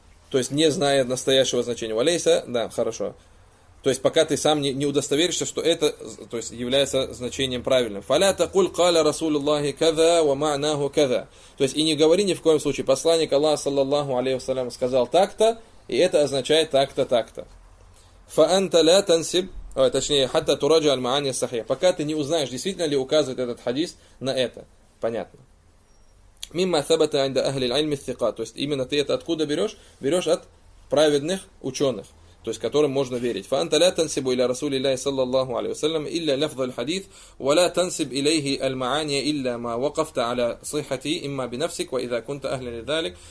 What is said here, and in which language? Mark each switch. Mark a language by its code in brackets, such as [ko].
[ru] То есть, не зная настоящего значения. [ar] وَلَيْسَ, [ru] да, хорошо. То есть, пока ты сам не удостоверишься, что это, то есть, является значением правильным. [ar] فَلَا تَقُلْ قَالَ رَسُولُ اللَّهِ كَذَا وَمَعْنَاهُ كَذَا. [ru] То есть, и не говори ни в коем случае, посланник Аллаха, саллаллаху алейхи вассалям, сказал так-то, и это означает так-то, так-то. [ar] فَأَنْتَ لَا تَنْسِبْ, [ru] точнее, [ar] حَتَّى تُرَجَعَ الْمَعَانِيَ السَّحِيَ. [ru] Пока ты не узнаешь, действительно ли указывает этот хадис на это. Понятно. [ar] مِمَّا ثَبَتَ عِنْدَ أَهْلِ الْعِلْمِ الثِّقَةِ. [ru] То есть, именно ты это откуда берешь? Берешь от праведных ученых. То есть, которым можно верить. [ar] فَأَنْتَ لَا تَنْسِبُ إِلَى رَسُولِ اللَّهِ صَلَّى اللَّهُ عَلَيْهِ وَسَلَّمَ إِلَّا لَفْظَ الْحَدِيثِ وَلَا تَنْسِبْ إِلَيْهِ الْمَعَانِيَ إِلَّا مَا وَقَفْتَ عَلَى صِحَّتِهِ إِمَّا بِنَفْسِكَ وَإِذَا كُنْتَ أَهْلًا لِذَلِكَ.